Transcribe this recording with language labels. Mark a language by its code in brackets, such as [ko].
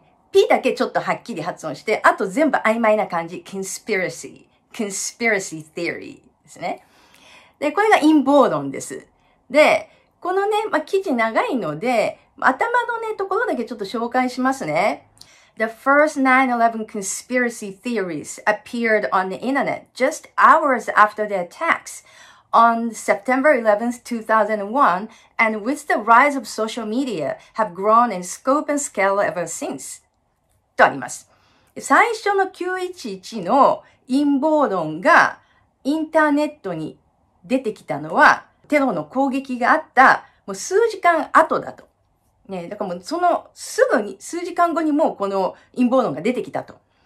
[ja] P だけちょっとはっきり発音して、あと全部曖昧な感じ。 [en] conspiracy, conspiracy theory [ja] ですね。で、これが陰謀論です。で、このね、まあ、記事長いので、頭のね、ところだけちょっと紹介しますね。 [en] The first 9/11 conspiracy theories appeared on the internet just hours after the attacks on September 11th, 2001 and with the rise of social media have grown in scope and scale ever since. [ja] とあります。最初の911の陰謀論がインターネットに出てきたのは、テロの攻撃があったもう数時間後だと。ね、だからもうそのすぐに、数時間後にもこの陰謀論が出てきたと。